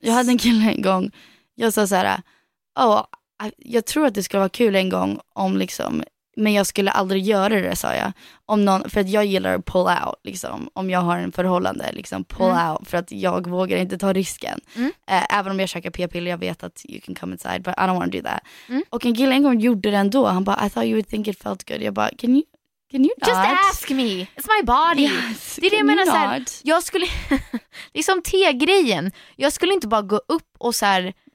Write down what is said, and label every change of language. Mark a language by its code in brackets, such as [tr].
[sv] Jag hade en kille en gång. Jag sa så här, jag tror att det skulle vara kul en gång om liksom... Men jag skulle aldrig göra det, sa jag. Om någon, för att jag gillar att pull out, liksom. Om jag har en förhållande, liksom, pull out. För att jag vågar inte ta risken. Även om jag käkar p-piller, jag vet att [en] you can come inside. But I don't want to do that. Och en kille en gång gjorde det ändå. [sv] Han bara, [en] I thought you would think it felt good. [sv] Jag bara, [en] can you not? Just ask me. It's my body. [sv] Yes, det är det jag menar, så här, jag skulle, det är som te-grejen. Jag skulle inte bara gå upp och så här,